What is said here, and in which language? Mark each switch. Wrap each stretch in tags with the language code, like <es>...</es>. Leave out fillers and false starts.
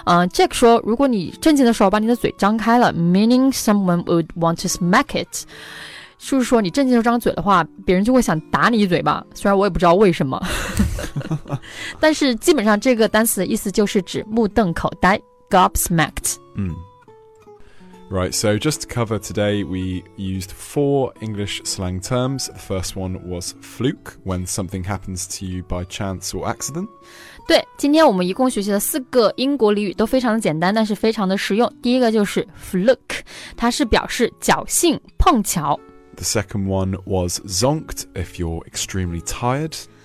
<zh>Jack 说如果你震惊的时候把你的嘴张开了</zh> <en>meaning someone would want to smack it</en> <zh>就是说你震惊的张嘴的话别人就会想打你一嘴巴虽然我也不知道为什么但是基本上这个单词的意思就是指目瞪口呆 gobsmacked、</zh> <en>Right, so just to cover today, we used four English slang terms. The first one was fluke, when something happens to you by chance or accident.</en> <zh>对，今天我们一共学习了四个英国俚语，都非常的简单，但是非常的实用。第一个就是 fluke, 它是表示侥幸、碰巧。</zh> <en>The second one was zonked, if you're extremely tired.</en>